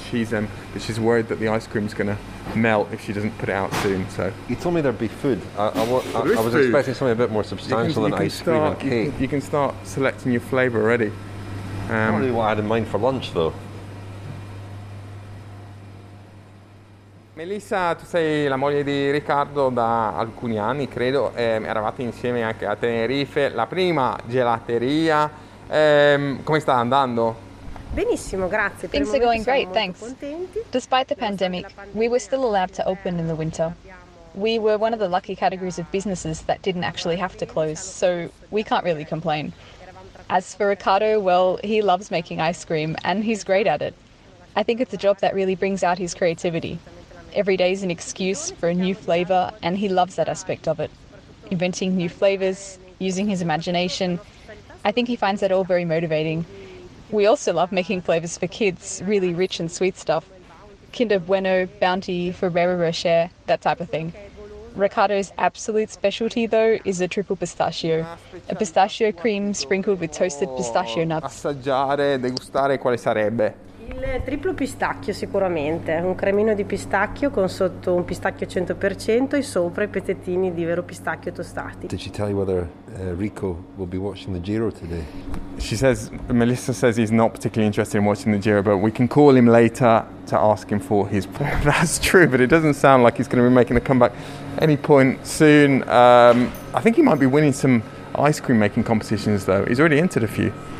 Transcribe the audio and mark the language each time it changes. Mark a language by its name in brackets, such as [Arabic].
[English] Because she's worried that the ice cream's going to melt if she doesn't put it out soon, so... You told me there'd be food. I was expecting something a bit more substantial than ice cream and cake. You can start selecting your flavour already. Not really what I had in mind for lunch, though. [Italian] Melissa, tu sei la moglie di Riccardo da alcuni anni, credo. Eravate insieme anche a Tenerife, la prima gelateria. Come sta andando? Benissimo, grazie. [English] Things are going great, thanks. Despite the pandemic, we were still allowed to open in the winter. We were one of the lucky categories of businesses that didn't actually have to close, so we can't really complain. As for Ricardo, well, he loves making ice cream and he's great at it. I think it's a job that really brings out his creativity. Every day is an excuse for a new flavor and he loves that aspect of it. Inventing new flavors, using his imagination, I think he finds that all very motivating. We also love making flavors for kids, really rich and sweet stuff. Kinder Bueno, Bounty, Ferrero Rocher, that type of thing. Ricardo's absolute specialty, though, is a triple pistachio. A pistachio cream sprinkled with toasted pistachio nuts. [Italian] Assaggiare, degustare, quale sarebbe? Il triplo pistacchio, sicuramente. Un cremino di pistacchio con sotto un pistacchio 100% e sopra i pezzettini di vero pistacchio tostati. [English] Did she tell you whether Rico will be watching the Giro today? She says, Melissa says he's not particularly interested in watching the Giro, but we can call him later to ask him for his... That's true, but it doesn't sound like he's going to be making a comeback any point soon. I think he might be winning some ice cream making competitions, though. He's already entered a few.